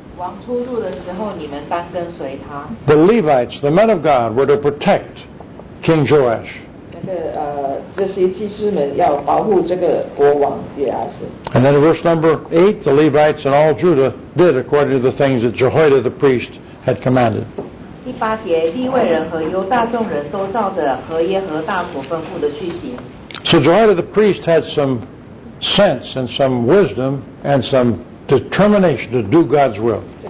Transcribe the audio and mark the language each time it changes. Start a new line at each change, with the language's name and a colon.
English: The Levites, the men of God, were to protect King Joash. And then in verse number 8, the Levites and all Judah did according to the things that Jehoiada the priest had commanded.
Chinese: 第八节,立位人和犹大众人都照着何耶和大所吩咐的去行。
English: So Jehoiada the priest had some sense and some wisdom and some determination to do God's will.